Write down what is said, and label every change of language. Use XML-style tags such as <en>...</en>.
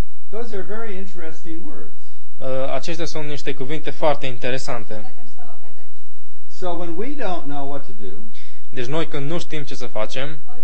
<en>Those are very interesting words.</en> <ro>Acestea sunt niște cuvinte foarte interesante.</ro> <en>So when we don't know what to do,</en> <ro>deci noi când nu știm ce să facem,</ro>